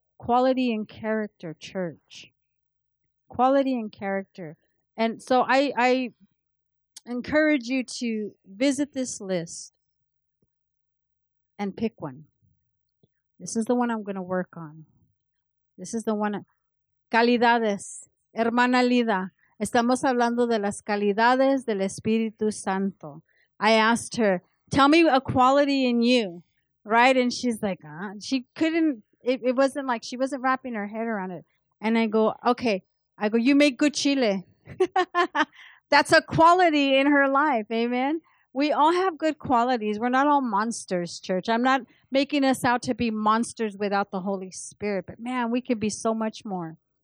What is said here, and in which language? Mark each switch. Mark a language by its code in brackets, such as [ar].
[en] Quality in character, church. Quality in character. And so I encourage you to visit this list and pick one. This is the one I'm going to work on. This is the one. [es] Calidades, hermana Lida, estamos hablando de las calidades del Espíritu Santo. [en] I asked her, tell me a quality in you, right? And she's like, she couldn't, it wasn't like, she wasn't wrapping her head around it. And I go, okay, I go, you make good chile. That's a quality in her life, amen? We all have good qualities. We're not all monsters, church. I'm not making us out to be monsters without the Holy Spirit, but man, we could be so much more.